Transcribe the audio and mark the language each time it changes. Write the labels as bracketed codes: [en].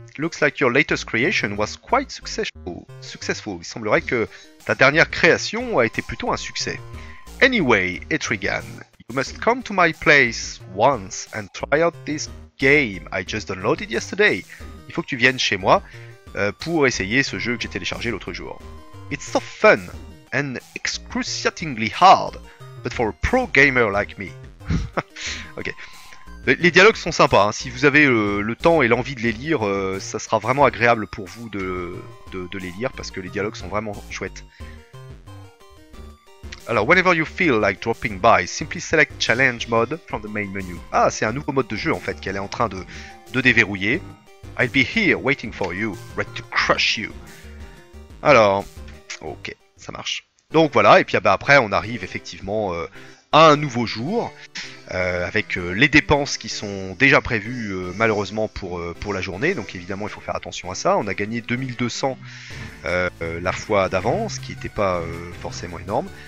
[en] Looks like your latest creation was quite successful. [fr] Il semblerait que ta dernière création a été plutôt un succès. [en] Anyway, Etrigan, you must come to my place once and try out this game I just downloaded yesterday. [fr] Il faut que tu viennes chez moi pour essayer ce jeu que j'ai téléchargé l'autre jour. [en] It's so fun and excruciatingly hard, but for a pro gamer like me. [fr] Ok. Les dialogues sont sympas. Hein. Si vous avez le temps et l'envie de les lire, ça sera vraiment agréable pour vous de les lire parce que les dialogues sont vraiment chouettes. [en] Alors, whenever you feel like dropping by, simply select challenge mode from the main menu. [fr] Ah, c'est un nouveau mode de jeu en fait qu'elle est en train de déverrouiller. [en] I'll be here waiting for you, ready to crush you. [fr] Alors, ok, ça marche. Donc voilà, et puis bah, après on arrive effectivement à un nouveau jour, avec les dépenses qui sont déjà prévues malheureusement pour la journée, donc évidemment il faut faire attention à ça. On a gagné 2200 la fois d'avant, ce qui n'était pas forcément énorme.